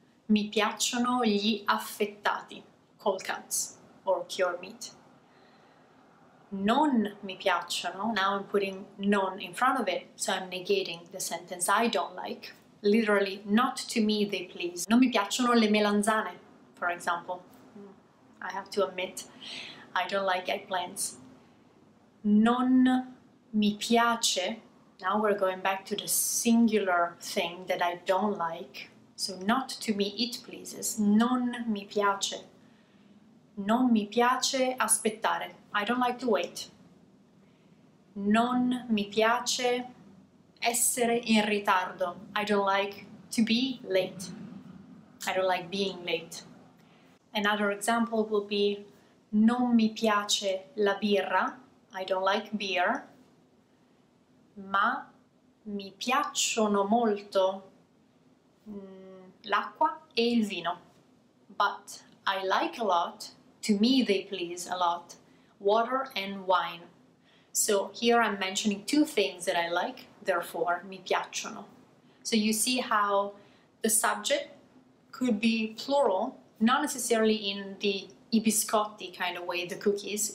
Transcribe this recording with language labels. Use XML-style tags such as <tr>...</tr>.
<it>Mi piacciono gli affettati,</it> <en>cold cuts or cured meat.</en> <it>Non mi piacciono.</it> <en>Now I'm putting non in front of it, so I'm negating the sentence I don't like. Literally, not to me, they please.</en> <it>Non mi piacciono le melanzane,</it> <en>for example. I have to admit, I don't like eggplants.</en> <it>Non mi piace.</it> <en>Now we're going back to the singular thing that I don't like. So not to me, it pleases.</en> <it>Non mi piace. Non mi piace aspettare.</it> <en>I don't like to wait.</en> <it>Non mi piace essere in ritardo.</it> <en>I don't like to be late. I don't like being late. Another example will be</en> <it>non mi piace la birra.</it> <en>I don't like beer.</en> <it>Ma mi piacciono molto l'acqua e il vino.</it> <en>But I like a lot, to me they please a lot, water and wine. So here I'm mentioning two things that I like, therefore</en> <it>mi piacciono.</it> <en>So you see how the subject could be plural, not necessarily in the I biscotti kind of way, the cookies.</en>